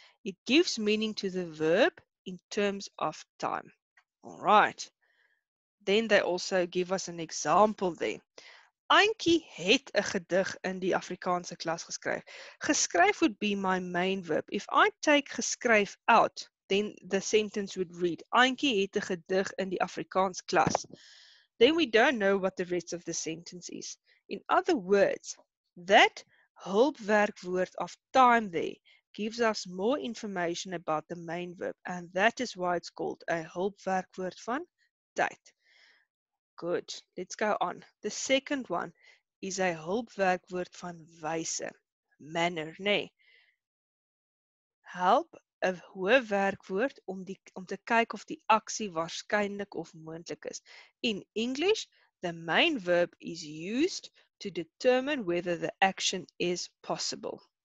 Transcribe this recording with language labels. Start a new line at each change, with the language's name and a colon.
English: It gives meaning to the verb in terms of time. All right. Then they also give us an example there.
Afrikaans: Eintjie het 'n gedig in die Afrikaanse klas geskryf.
English: Geskryf would be my main verb. If I take geskryf out, then the sentence would read,
Afrikaans: Eintjie het 'n gedig in die Afrikaans klas.
English: Then we don't know what the rest of the sentence is. In other words, that hulpwerkwoord of time there gives us more information about the main verb, and that is why it's called a hulpwerkwoord van tyd. Good, let's go on. The second one is a hulpwerkwoord van wyse, manner, nee.
Afrikaans: Help 'n hoë werkwoord om te kyk of die aksie waarskynlik of moontlik is.
English: In English, the main verb is used to determine whether the action is possible.